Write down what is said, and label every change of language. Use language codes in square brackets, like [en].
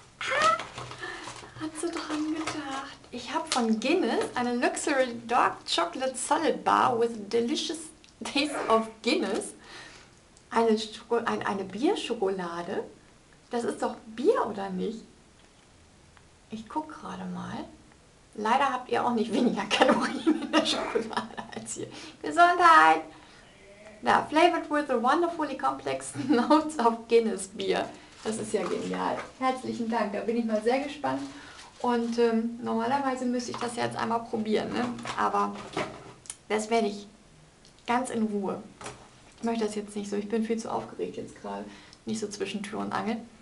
[de] Hat sie dran gedacht. Ich habe von Guinness eine [en] Luxury Dark Chocolate Subtle Bar with delicious taste of Guinness. [de] Eine Bierschokolade. Das ist doch Bier, oder nicht? Ich gucke gerade mal. Leider habt ihr auch nicht weniger Kalorien in der Schokolade als hier. Gesundheit! [en] Da, flavored with the wonderfully complex notes of Guinness Beer. [de] Das ist ja genial. Herzlichen Dank, da bin ich mal sehr gespannt. Und normalerweise müsste ich das jetzt einmal probieren, ne? Aber das werde ich ganz in Ruhe. Ich möchte das jetzt nicht so, ich bin viel zu aufgeregt jetzt gerade. Nicht so zwischen Tür und Angel.